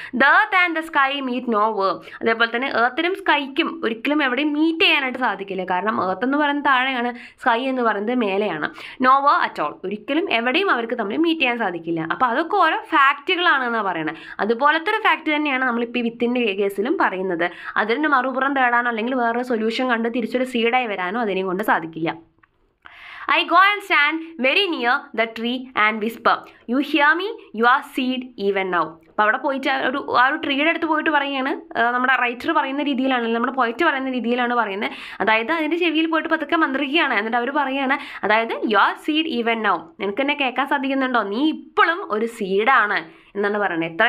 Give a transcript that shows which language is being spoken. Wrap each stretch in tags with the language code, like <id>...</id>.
<en>The earth and the sky meet nowhere.</en> <ml>അതേപോലെ തന്നെ ഏർത്തിനും സ്കൈക്കും ഒരിക്കലും എവിടെയും മീറ്റ് ചെയ്യാനായിട്ട് സാധിക്കില്ല, കാരണം ഏർത്ത് എന്ന് പറയുന്നത് താഴെയാണ്, സ്കൈ എന്ന് പറയുന്നത് മേലെയാണ്.</ml> <en>nowhere at all,</en> <ml>ഒരിക്കലും എവിടെയും അവർക്ക് തമ്മിൽ മീറ്റ് ചെയ്യാൻ സാധിക്കില്ല. അപ്പോൾ അതൊക്കെ ഓരോ ഫാക്റ്റുകളാണെന്നാണ് പറയുന്നത്. അതുപോലത്തെ ഒരു ഫാക്റ്റ് തന്നെയാണ് നമ്മളിപ്പോൾ ഈ വിത്തിൻ്റെ കേസിലും പറയുന്നത്. അതിൻ്റെ മറുപുറം തേടാനോ അല്ലെങ്കിൽ വേറൊരു സൊല്യൂഷൻ കണ്ട് തിരിച്ചൊരു സീഡായി വരാനോ അതിനെയും കൊണ്ട് സാധിക്കില്ല.</ml> <en>I go and stand very near the tree and whisper, you hear me, your seed even now.</en> <ml>അപ്പോൾ അവിടെ പോയിട്ട് ഒരു ആ ഒരു ട്രീയുടെ അടുത്ത് പോയിട്ട് പറയുകയാണ്, നമ്മുടെ റൈറ്റർ പറയുന്ന രീതിയിലാണ്, നമ്മുടെ പോയിറ്റ് പറയുന്ന രീതിയിലാണ് പറയുന്നത്. അതായത് അതിൻ്റെ ചെവിയിൽ പോയിട്ട് പതുക്കെ മന്ത്രിക്കുകയാണ്, എന്നിട്ട് അവർ പറയുകയാണ്, അതായത്</ml> <en>your seed even now,</en> <ml>നിനക്ക് എന്നെ കേൾക്കാൻ സാധിക്കുന്നുണ്ടോ, നീ ഇപ്പോഴും ഒരു സീഡാണ് എന്നാണ് പറയുന്നത്.</ml>